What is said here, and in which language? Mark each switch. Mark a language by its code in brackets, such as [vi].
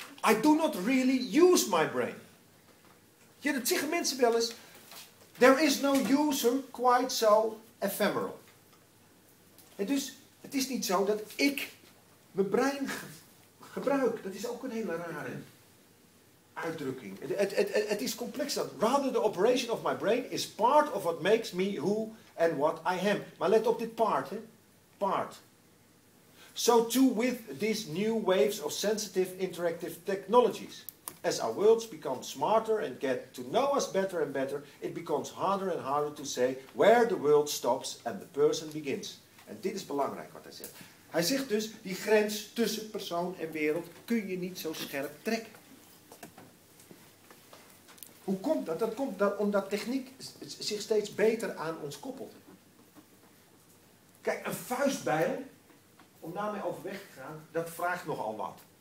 [en] I do not really use my brain. [nl] Ja, dat zeggen mensen wel eens. [en] There is no user quite so ephemeral. [nl] En dus, het is niet zo dat ik mijn brein gebruik. Dat is ook een hele rare uitdrukking. Het is complex dat. [en] Rather the operation of my brain is part of what makes me who and what I am. [nl] Maar let op dit part, hè. Part. [en] So too with these new waves of sensitive interactive technologies. As our worlds become smarter and get to know us better and better, it becomes harder and harder to say where the world stops and the person begins. [nl] En dit is belangrijk wat hij zegt. Hij zegt dus, die grens tussen persoon en wereld kun je niet zo scherp trekken. Hoe komt dat? Dat komt omdat techniek zich steeds beter aan ons koppelt. Kijk, een vuistbijl, om daarmee overweg te gaan, dat vraagt nogal wat.